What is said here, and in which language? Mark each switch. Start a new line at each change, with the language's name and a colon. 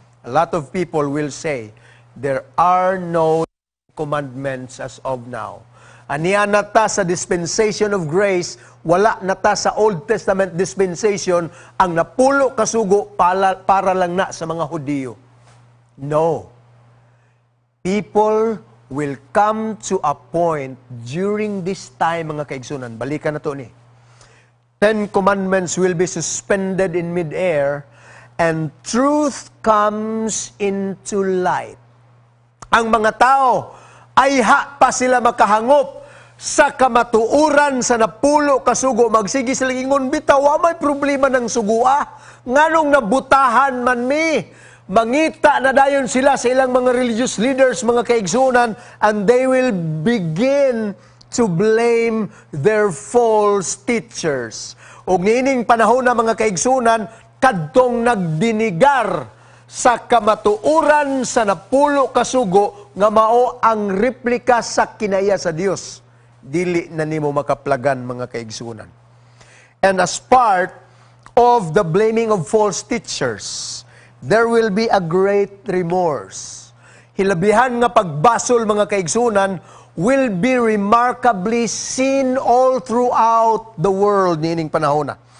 English: A lot of people will say, there are no commandments as of now.
Cebuano: Aniya na ta sa
English: dispensation of grace,
Cebuano: wala na ta sa
English: Old Testament dispensation
Cebuano: ang napulo kasugo para lang na sa mga Hudiyo.
English: No. People will come to a point during this time, mga kaigsunan.
Cebuano: Balikan na to ni.
English: Ten commandments will be suspended in mid-air and truth comes into light.
Cebuano: Ang mga tao ay ha pa sila makahangop sa kamatuuran sa napulo kasugo. Magsigi sila ingon, bitawa may problema ng sugua. Nganong nabutahan man mi. Mangita na dayon sila sa ilang mga religious leaders, mga kaigsunan,
English: and they will begin to blame their false teachers.
Cebuano: O ngining panahon na, mga kaigsunan, kadtong nagdinigar sa kamatuuran sa napulo kasugo nga mao ang replika sa kinaiya sa Dios, dili na nimo makaplagan, mga kaigsunan.
English: And as part of the blaming of false teachers, there will be a great remorse.
Cebuano: Hilabihan nga pagbasol,
English: mga kaigsunan, will be remarkably seen all throughout the world
Cebuano: niining panahon.